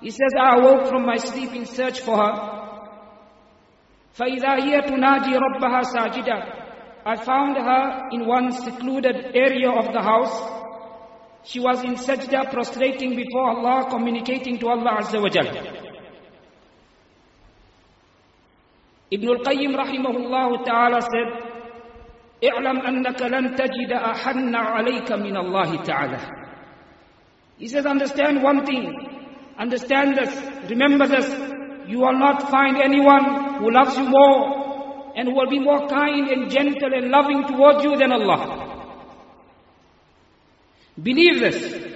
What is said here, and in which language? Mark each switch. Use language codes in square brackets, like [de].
[en] He says, I awoke from my sleep in search for her. [ar] فَإِذَا هِيَ تُنَادِي رَبَّهَا سَاجِدًا. [en] I found her in one secluded area of the house. She was in sajda, prostrating before Allah, communicating to Allah Azza wa Jal. [ar] Ibn al-Qayyim rahimahullah ta'ala said, اِعْلَمْ أَنَّكَ لَنْ تَجِدَ أَحَنَّ عَلَيْكَ مِنَ اللَّهِ تَعَالَى. [en] He says, understand one thing. Understand this. Remember this. You will not find anyone who loves you more and who will be more kind and gentle and loving towards you than Allah. Believe this.